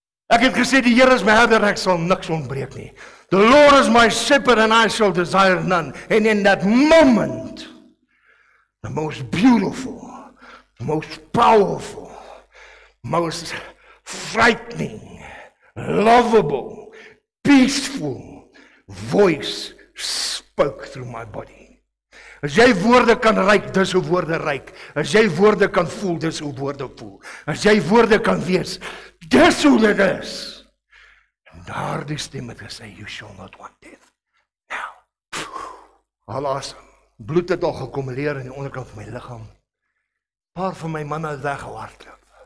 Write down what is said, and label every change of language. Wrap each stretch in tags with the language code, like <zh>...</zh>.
<af>Ek het gesê, die Here is my herder, ek sal niks ontbreek nie.</af> <en>The Lord is my shepherd and I shall desire none. And in that moment, the most beautiful, the most powerful, most frightening, lovable, peaceful voice spoke through my body.</en> <af>As jy woorde kan ruik, dis hoe woorde ruik. As jy woorde kan voel, dis hoe woorde voel. As jy woorde kan wees, dis hoe dit is. En daar die stem het gesê,</af> <en>"You shall not want death."</en> <af>Nou, alas, bloed het al geakkumuleer in die onderkant van my lichaam. Paar van my manne het weggehardloop.</af>